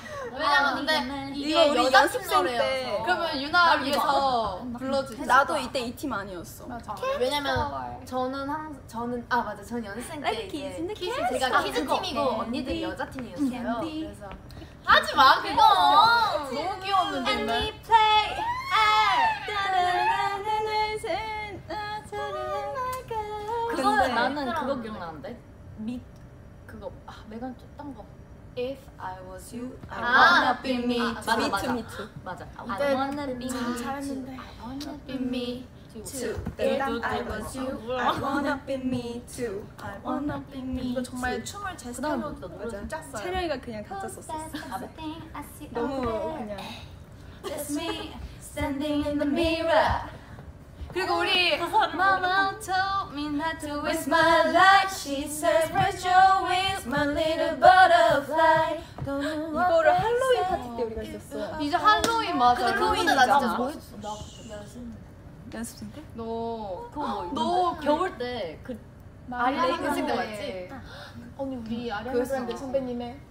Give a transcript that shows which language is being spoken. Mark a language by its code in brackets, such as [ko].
[ko] 왜냐면 근데 이게 여자 노래여서 그러면 유나를 위해서 불러주세요. 나도 이때 이 팀 아니었어. 왜냐면 저는 항상 저는 아 맞아 전 연습생 때 이제 키즈 제가 키즈 팀이고 언니들이 여자 팀이었어요. 그래서 하지 마 그거 너무 귀여웠는데. [en] And we play at the night and the sun. [ko] 그거 나는 그거 기억나는데 미 그거 아 메간 쪘던 거. [en] If I was you, I wanna be me too. [ko] 맞아, 맞아. 맞아. [en] I wanna be me too. I wanna be me too. If I was you, I wanna be me too. I wanna be me too. [ko] 이거 정말 춤을 제 스타일로 짰어요. 채령이가 그냥 갖다 썼었어. 너무 그냥. [en] It's me standing in the mirror. [ko] 그리고 우리 [en] Mama told me not to waste my life. She said, "Press your wings, my little butterfly." [ko] 이거를 할로윈 파티 때 우리가 했었어. 이제 할로윈 맞아. 근데 그거는 나 진짜 연습생 연습생 때? 너 그거 뭐? 너 겨울 때 그 아리아 연습생 때 맞지? 언니 우리 아리아 그랬는데 선배님의